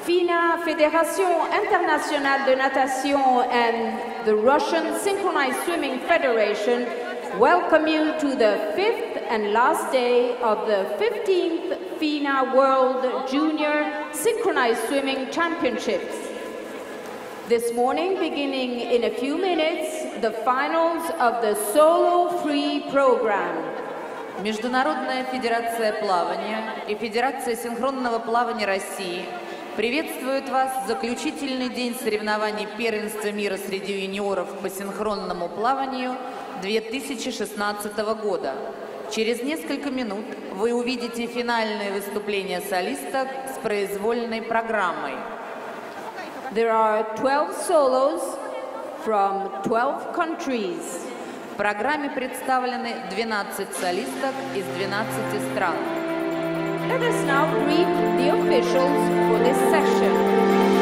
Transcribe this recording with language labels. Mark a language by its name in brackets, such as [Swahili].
[English] De Natation and the Russian Synchronized Swimming Federation welcome you to the fifth and last day of the 15th FINA World Junior Synchronized Swimming Championships. This morning, beginning in a few minutes, the finals of the Solo Free Program. [Russian] Международная Федерация Плавания и Федерация Синхронного Плавания России приветствуют вас в заключительный день соревнований первенства мира среди юниоров по синхронному плаванию 2016 года. Через несколько минут вы увидите финальное выступление солисток с произвольной программой. [English] There are 12 solos from 12 countries. [Russian] В программе представлены 12 солисток из 12 стран. [English] Let us now greet the officials for this session.